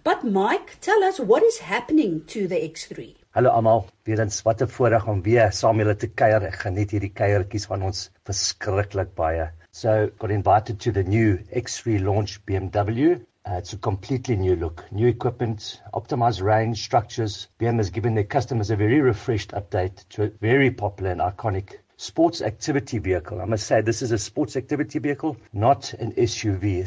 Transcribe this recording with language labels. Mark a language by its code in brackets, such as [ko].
[en] But Mike, tell us, what is happening to the X3? [af] Hallo almal, weer eens wat 'n voorreg om weer saam julle te kuier. Ek geniet hierdie kuiertjies van ons verskriklik baie. [en] So, got invited to the new X3 launch BMW. It's a completely new look, new equipment, optimized range, structures. BMW has given their customers a very refreshed update to a very popular and iconic sports activity vehicle. I must say, this is a sports activity vehicle, not an SUV.